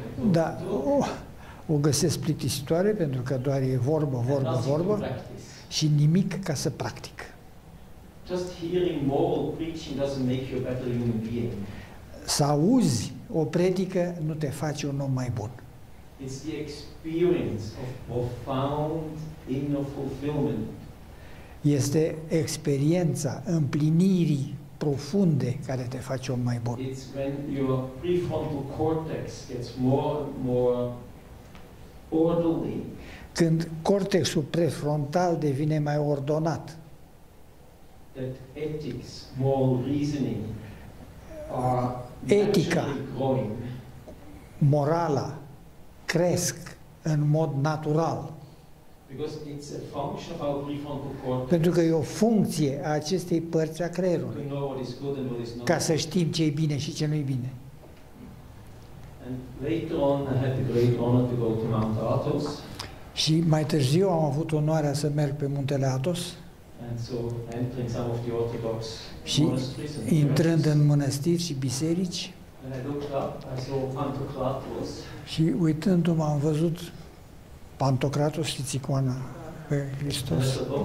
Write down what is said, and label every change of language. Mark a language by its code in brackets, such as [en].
[ro] Dar o găsesc plictisitoare pentru că doar e vorbă, vorbă, vorbă și nimic ca să practic. [en] Just hearing moral preaching doesn't make you a better human being. [ro] Să auzi o predică nu te face un om mai bun. [en] It's the experience of profound inner fulfillment. [ro] Este experiența împlinirii profunde care te face om mai bun. [en] It's when your prefrontal cortex gets more orderly. [ro] Când cortexul prefrontal devine mai ordonat. [en] That ethics, moral reasoning, [ro] etica, morala cresc în mod natural. [en] Because it's a function of our prefrontal cortex. [ro] Pentru că e o funcție a acestei părți a creierului. [en] To know what is good and what is not. [ro] Ca să știm ce e bine și ce nu e bine. [en] And later on, I had the great honor to go to Mount Athos. [ro] Și mai târziu am avut onoarea să merg pe muntele Athos. [en] And so entering some of the Orthodox monasteries. [ro] Și intrând în mănăstiri și biserici. [en] And I looked up, I saw Pantocrators. [ro] Și uitându-mă am văzut Pantocrator și Ticoana pe Hristos.